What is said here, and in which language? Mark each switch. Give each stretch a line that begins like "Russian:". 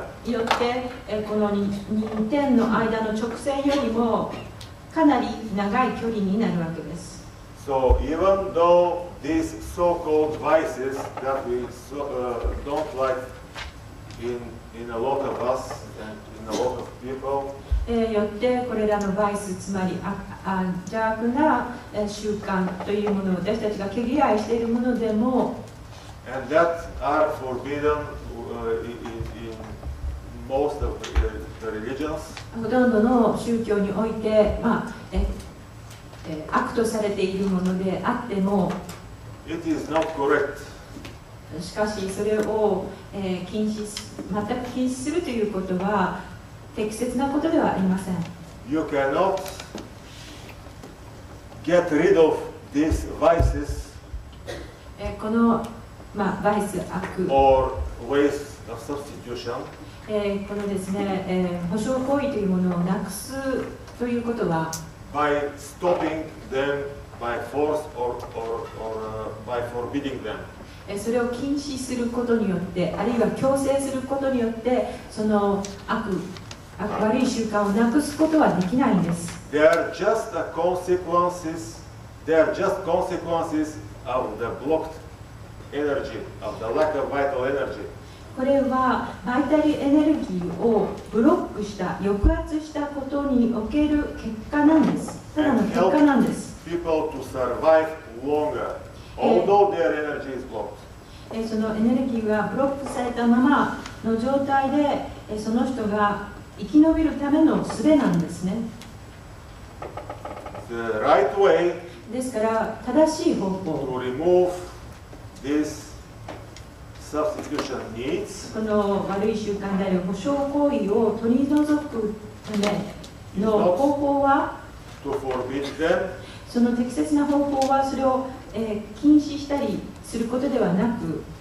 Japanese: よってこの二点の間の直線よりもかなり長い距離になるわけです。
English: So even though these so-called vices that we don't like in a lot of us and in a lot of people.
Japanese: よってこれらのバイス、つまり邪悪な習慣というものを私たちが毛嫌いしているものでも。
English: And that are forbidden in most of the religions.
Japanese: ほとんどの宗教において、まあ悪とされているものであっても、
English: It is not correct.
Japanese: しかしそれを、禁止全く禁止するということは適切なことではありません。
English: You cannot get rid of these vices.
Japanese: この、まあ、バイス悪
English: or ways of substitution.
Japanese: このですね、補償行為というものをなくすということは。
English: By stopping them by force or by forbidding them.
Japanese: それを禁止することによって、あるいは強制することによって、その悪い習慣をなくすことはできないんです。
English: They are just the consequences. They are just consequences of the blocked energy, of the lack of vital energy.
Japanese: これはバイタルエネルギーをブロックした、抑圧したことにおける結果なんです。ただの結果なんです。
English: People to survive longer, although their energy is blocked.
Japanese: そのエネルギーがブロックされたまま、の状態でその人が生き延びるための術なんですね。
English: The right way
Japanese: ですから正しい方法
English: to remove this substitution needs
Japanese: この悪い習慣である保証行為を取り除くための方法は
English: to forbid them
Japanese: その適切な方法はそれを禁止したりすることではなく